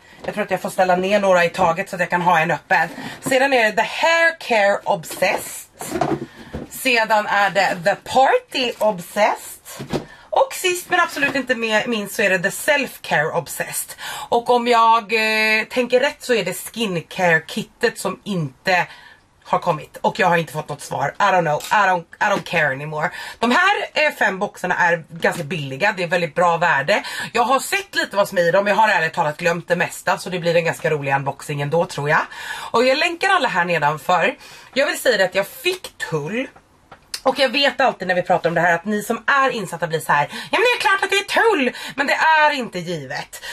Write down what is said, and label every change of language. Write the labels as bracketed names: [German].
[Swedish] Jag tror att jag får ställa ner några i taget så att jag kan ha en öppen. Sedan är det The Hair Care Obsessed. Sedan är det The Party Obsessed. Och sist men absolut inte minst så är det The Self Care Obsessed. Och om jag tänker rätt så är det skincare kittet som inte har kommit, och jag har inte fått något svar. [English] I don't know, I don't care anymore. [Swedish] De här fem boxarna är ganska billiga, det är väldigt bra värde. Jag har sett lite vad som är i dem, jag har ärligt talat glömt det mesta, så det blir en ganska rolig unboxing ändå, tror jag. Och jag länkar alla här nedanför. Jag vill säga att jag fick tull. Och jag vet alltid när vi pratar om det här att ni som är insatta blir så här: ja men det är klart att det är tull, men det är inte givet.